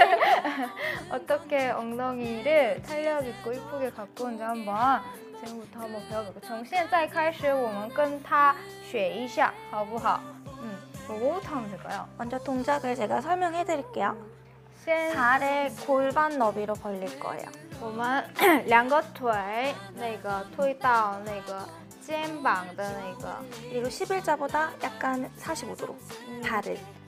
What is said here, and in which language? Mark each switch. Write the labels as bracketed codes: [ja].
[zh] 好吧，我们现在给你们告诉一下那个怎么管理苹果臀后背，优雅的后背。嗯，他的看他的屁股有太有那个弹力吧，好羡慕他。嗯， [ko] 부럽네요。어떻게 엉덩이를 탄력 있고 이쁘게 갖고 온지 한번 지금부터 한번 배워볼게요. [zh] 从现在开始我们跟他学一下，好不好？ [ko] 뭐 하면 될까요? 먼저 동작을 제가 설명해 드릴게요. 발을 골반 너비로 벌릴 거예요. [zh] 我们两个腿那个推到那个肩膀的那个 [ko] 그리고 11자보다 약간 45도로 발을